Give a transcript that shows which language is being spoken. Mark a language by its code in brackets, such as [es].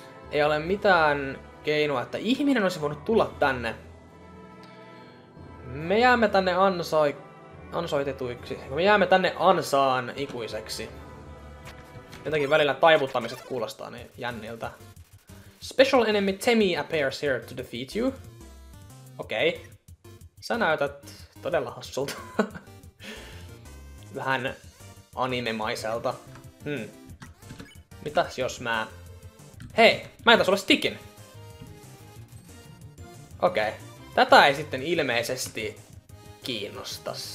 [fi] Ei ole mitään keinoa, että ihminen olisi voinut tulla tänne. Me jäämme tänne ansoitetuiksi. Me jäämme tänne ansaan ikuiseksi. Jotenkin välillä taivuttamiset kuulostaa niin jänniltä. [en] Special enemy Temi appears here to defeat you. [fi] Okei. Sä näytät todella hassulta. Vähän animemaiselta. Mitäs jos mä... Hei, mä en taas ole Stickin. Okei. Tätä ei sitten ilmeisesti kiinnosta.